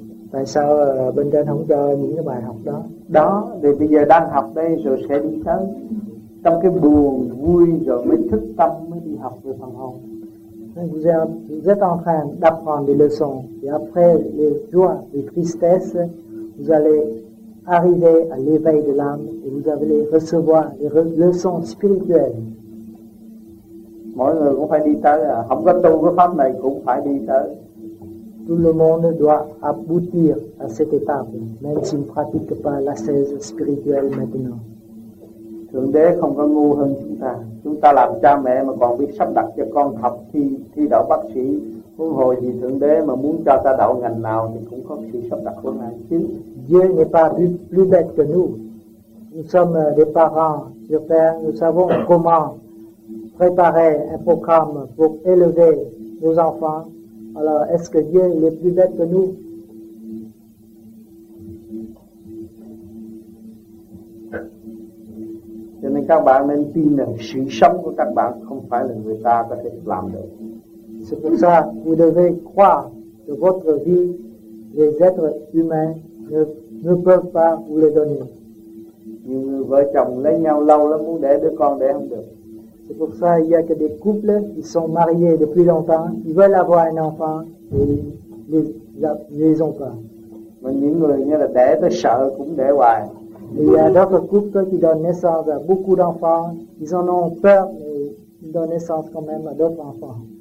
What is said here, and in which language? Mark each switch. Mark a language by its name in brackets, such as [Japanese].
[Vietnamese] Tại sao bên trên không cho những cái bài học đó? Đó, thì bây giờ đang học đây rồi sẽ đi tới. Trong cái buồn, vui rồi mới thức tâm, mới đi học về phần hồn. [French] vous êtes en train d'apprendre des leçons, et après les joies, les tristesses, vous allez arriver à l'éveil de l'âme et vous allez recevoir les leçons spirituelles. [Vietnamese] Mọi người cũng phải đi tới, không có tu cái pháp này cũng phải đi tới. [French] Tout le monde doit aboutir à cette étape, même s'il ne pratique pas l'ascèse spirituelle maintenant. [Vietnamese] Thượng đế không có ngu hơn chúng ta. Chúng ta làm cha mẹ mà còn biết sắp đặt cho con học thi thi đậu bác sĩ, huống hồ gì thượng đế mà muốn cho ta đậu ngành nào thì cũng có sự sắp đặt của ngài chứ. [French] Dieu n'est pas plus bête que nous. Nous sommes des parents, sur terre, nous savons comment préparer un programme pour élever nos enfants. Alors, est-ce que Dieu est plus bête que nous? [Vietnamese] Cho nên các bạn nên tin rằng sự sống của các bạn không phải là người ta có thể làm được. [French] C'est pour ça, vous devez croire que votre vie, les êtres humains ne peuvent pas vous les donner. [Vietnamese] Nhiều người vợ chồng lấy nhau lâu lắm muốn để đứa con để không được. [French] C'est pour ça qu'il y a que des couples qui sont mariés depuis longtemps, ils veulent avoir un enfant et ils ne les ont pas. [Vietnamese] Mais những người như là để tới sợ cũng để hoài. [French] Il y a d'autres couples qui donnent naissance à beaucoup d'enfants, ils en ont peur, mais ils donnent naissance quand même à d'autres enfants.